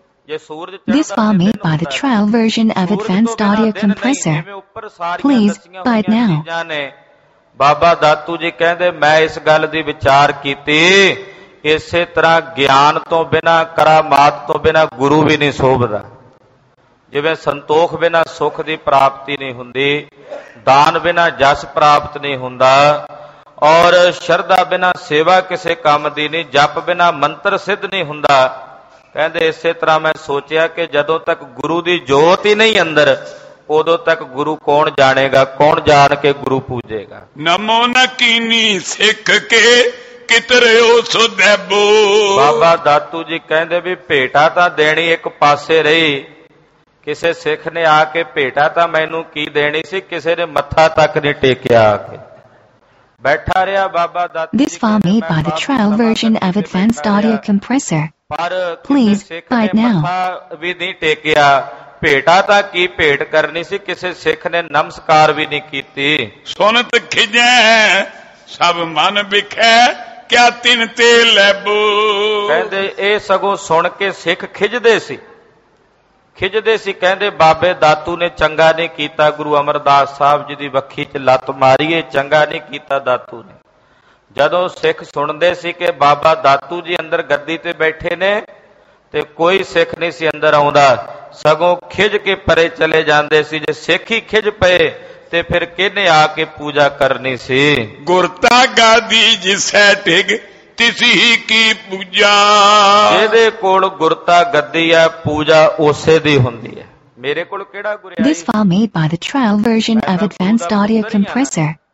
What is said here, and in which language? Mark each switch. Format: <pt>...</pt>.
<en>This file made by the trial version of Advanced Audio Compressor. Please buy it now.</en> <pa>ਬਾਬਾ ਦਾਤੂ ਜੀ ਕਹਿੰਦੇ ਮੈਂ ਇਸ ਗੱਲ ਦੀ ਵਿਚਾਰ ਕੀਤੀ, ਇਸੇ ਤਰ੍ਹਾਂ ਗਿਆਨ ਤੋਂ ਬਿਨਾਂ, ਕਰਾਮਾਤ ਤੋਂ ਬਿਨਾਂ ਗੁਰੂ ਵੀ ਨਹੀਂ ਸੋਭਦਾ। ਜਿਵੇਂ ਸੰਤੋਖ ਬਿਨਾਂ ਸੁੱਖ ਦੀ ਪ੍ਰਾਪਤੀ ਨਹੀਂ ਹੁੰਦੀ, ਦਾਨ ਬਿਨਾਂ ਜਸ ਪ੍ਰਾਪਤ ਨਹੀਂ ਹੁੰਦਾ, ਔਰ ਸ਼ਰਧਾ ਬਿਨਾਂ ਸੇਵਾ ਕਿਸੇ ਕੰਮ ਦੀ ਨਹੀਂ, ਜਪ ਬਿਨਾਂ ਮੰਤਰ ਸਿੱਧ ਨਹੀਂ ਹੁੰਦਾ। ਕਹਿੰਦੇ ਇਸੇ ਤਰ੍ਹਾਂ ਮੈਂ ਸੋਚਿਆ ਕਿ ਜਦੋਂ ਤੱਕ ਗੁਰੂ ਦੀ ਜੋਤ ਹੀ ਨਹੀਂ ਅੰਦਰ, ਉਦੋਂ ਤੱਕ ਗੁਰੂ ਕੌਣ ਜਾਣੇਗਾ, ਕੌਣ ਜਾਣ ਕੇ ਗੁਰੂ ਪੂਜੇਗਾ। ਨਮੋ ਨਕੀਨੀ ਸਿੱਖ ਕੇ ਕਿਤਰਿਓ ਸੁਦੈਬੋ। ਬਾਬਾ ਦਾਤੂ ਜੀ ਕਹਿੰਦੇ ਵੀ ਭੇਟਾ ਤਾਂ ਦੇਣੀ ਇੱਕ ਪਾਸੇ ਰਹੀ, ਕਿਸੇ ਸਿੱਖ ਨੇ ਆ ਕੇ ਭੇਟਾ ਤਾਂ ਮੈਨੂੰ ਕੀ ਦੇਣੀ ਸੀ, ਕਿਸੇ ਨੇ ਮੱਥਾ ਤੱਕ ਨੀ ਟੇਕਿਆ, ਆ ਕੇ ਬੈਠਾ ਰਿਹਾ ਬਾਬਾ Datu.</pa> <en>This file made by the trial version of Advanced Audio Compressor.</en> <pa>ਪਰ ਵੀ ਨਹੀਂ ਟੇਕਿਆ, ਭੇਟਾ ਤਾਂ ਕੀ ਭੇਟ ਕਰਨੀ ਸੀ, ਕਿਸੇ ਸਿੱਖ ਨੇ ਨਮਸਕਾਰ ਵੀ ਨਹੀਂ ਕੀਤੀ। ਸੁਣਤ ਖਿਜੈ ਸਭ ਮਨ ਵਿਖੈ ਕਿਆ ਤਿੰਨ ਤੇ ਲੈਬੋ। ਕਹਿੰਦੇ ਇਹ ਸਗੋਂ ਸੁਣ ਕੇ ਸਿੱਖ ਖਿਜਦੇ ਸੀ ਕਹਿੰਦੇ ਬਾਬੇ ਦਾਤੂ ਨੇ ਚੰਗਾ ਨਹੀਂ ਕੀਤਾ, ਗੁਰੂ ਅਮਰਦਾਸ ਸਾਹਿਬ ਜੀ ਦੀ ਵੱਖੀ ਚ ਲੱਤ ਮਾਰੀਏ, ਚੰਗਾ ਨਹੀਂ ਕੀਤਾ ਦਾਤੂ ਨੇ। ਜਦੋਂ ਸਿੱਖ ਸੁਣਦੇ ਸੀ ਕਿ ਬਾਬਾ ਦਾਤੂ ਜੀ ਅੰਦਰ ਗੱਦੀ ਤੇ ਬੈਠੇ ਨੇ ਤੇ ਕੋਈ ਸਿੱਖ ਨਹੀਂ ਸੀ ਅੰਦਰ ਆਉਂਦਾ, ਸਗੋਂ ਖਿਜ ਕੇ ਪਰੇ ਚਲੇ ਜਾਂਦੇ ਸੀ। ਜੇ ਸਿੱਖ ਹੀ ਖਿਜ ਪਏ ਤੇ ਫਿਰ ਕਿਹਨੇ ਆ ਕੇ ਪੂਜਾ ਕਰਨੀ ਸੀ? ਗੁਰਤਾ ਗਾਦੀ ਜਿਸੈ ਟਿਗ ਤਿਸੀ ਕੀ ਪੂਜਾ। ਇਹਦੇ ਕੋਲ ਗੁਰਤਾ ਗੱਦੀ ਹੈ, ਪੂਜਾ ਉਸੇ ਦੀ ਹੁੰਦੀ ਹੈ, ਮੇਰੇ ਕੋਲ ਕਿਹੜਾ ਗੁਰਿਆਈ।</pa> <en>This file made by the trial version of Advanced Audio Compressor.</en>